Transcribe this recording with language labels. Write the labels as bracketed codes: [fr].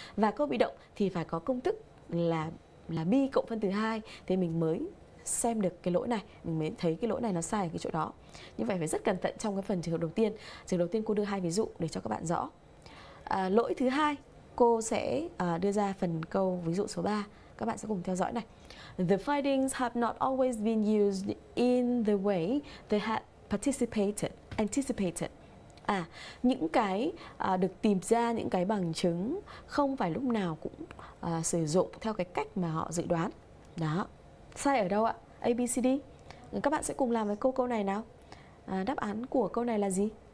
[vi] Và câu bị động thì phải có công thức là be cộng phân từ 2 thì mình mới xem được cái lỗi này, mình mới thấy cái lỗi này nó sai ở cái chỗ đó. Như vậy phải rất cẩn thận trong cái phần trường hợp đầu tiên. Trường hợp đầu tiên cô đưa hai ví dụ để cho các bạn rõ. Lỗi thứ hai, cô sẽ đưa ra phần câu ví dụ số 3. Các bạn sẽ cùng theo dõi này. [en] The findings have not always been used in the way they had anticipated. [vi] À, những cái được tìm ra, những cái bằng chứng không phải lúc nào cũng sử dụng theo cái cách mà họ dự đoán. Đó. Sai ở đâu ạ? A, B, C, D. Các bạn sẽ cùng làm với cô câu này nào. Đáp án của câu này là gì?